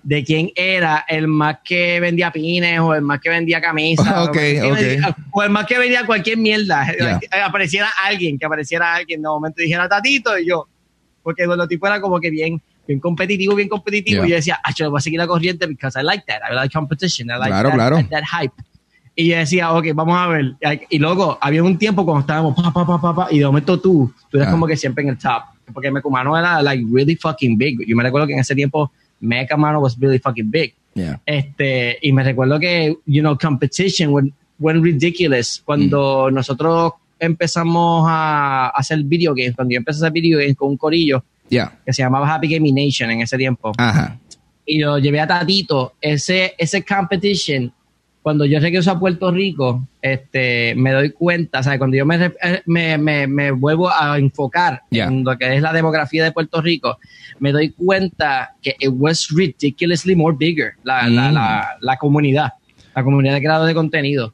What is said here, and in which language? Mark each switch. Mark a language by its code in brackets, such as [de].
[es] De quién era el más que vendía pines o el más que vendía camisas. [en] Okay. [es] O el más que vendía cualquier mierda. [en] Yeah. [es] Apareciera alguien de momento dijera Tatito y yo. Porque el tipo era como que bien competitivo. Yeah. Y yo decía, ah, yo voy a seguir la corriente [en] because I like that. I like competition. I like that hype. [es] Y yo decía, ok, vamos a ver. Y luego había un tiempo cuando estábamos pa, pa, pa, y de momento tú eras como que siempre en el top. Porque mi cumano era [en] like really fucking big. [es] Yo me recuerdo que en ese tiempo Mega Mano [en] was really fucking big. Yeah. [es] Y me recuerdo que, [en] you know, competition went ridiculous. [es] Cuando nosotros empezamos a hacer video games, cuando yo empecé a hacer video games con un corillo que se llamaba Happy Gaming Nation en ese tiempo. Ajá. Y lo llevé a Tatito. Ese competition, cuando yo regreso a Puerto Rico, me doy cuenta, o sea, cuando yo me vuelvo a enfocar en lo que es la demografía de Puerto Rico, me doy cuenta que [en] it was ridiculously more bigger, [es] la comunidad de creador de contenido.